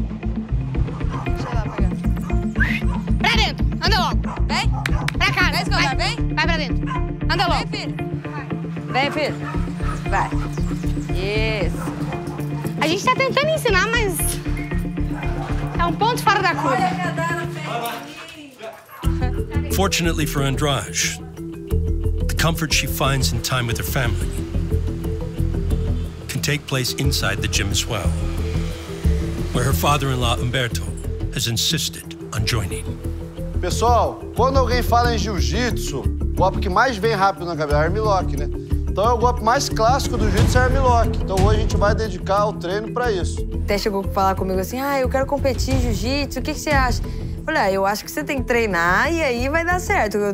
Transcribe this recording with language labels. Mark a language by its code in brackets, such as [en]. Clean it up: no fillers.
[pt] Deixa ela pegar. Pra dentro, anda logo. Vem. Pra casa. Vai, escolher, vai. Vem. Vai pra dentro. Anda logo. Vem, filho. Vai. Vem, filho. Vai. Isso. A gente tá tentando ensinar, mas é um ponto fora da curva. [en] Fortunately for Andrade, the comfort she finds in time with her family can take place inside the gym as well, where her father-in-law, Humberto, has insisted on joining. [pt] Pessoal, quando alguém fala em jiu-jitsu, o golpe que mais vem rápido na cabeça é armlock, né? Então é o golpe mais clássico do jiu-jitsu é armlock. Então hoje a gente vai dedicar o treino pra isso. Até chegou a falar comigo assim, ah, eu quero competir em jiu-jitsu, o que você acha? Olha, eu acho que você tem que treinar e aí vai dar certo.